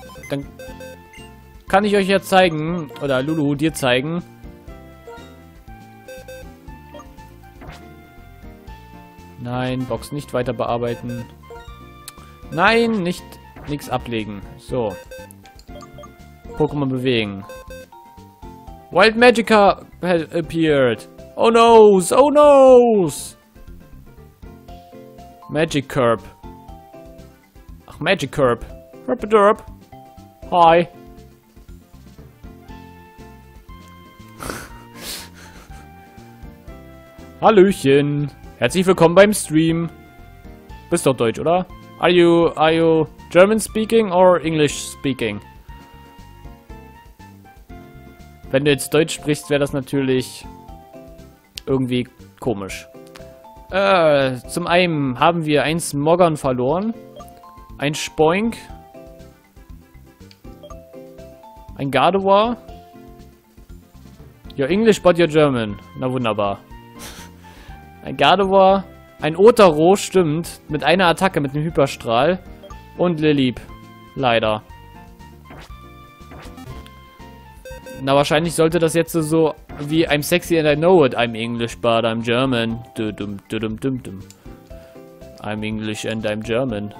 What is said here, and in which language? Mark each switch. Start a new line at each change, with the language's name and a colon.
German: Dann kann ich euch jetzt zeigen, oder Lulu dir zeigen, nein, Box nicht weiter bearbeiten. Nein, nicht nichts ablegen. So. Pokémon bewegen.
English: Wild Magicka has appeared.
German: Oh no, oh no. Magikarp. Ach, Magikarp. Herpaderp. Hi. Hallöchen. Herzlich willkommen beim Stream. Bist doch Deutsch, oder?
English: Are you German speaking or English speaking?
German: Wenn du jetzt Deutsch sprichst, wäre das natürlich irgendwie komisch. Zum einen haben wir ein Smoggern verloren. Ein Spoink. Ein Gardevoir.
English: Your English, but your German.
German: Na wunderbar. Ein Gardevoir, ein Otaro, stimmt, mit einer Attacke, mit einem Hyperstrahl und Lilip, leider. Na, wahrscheinlich sollte das jetzt so wie
English: I'm sexy and I know it. I'm English, but I'm German. Dum dum dum dum dum. I'm English and I'm German.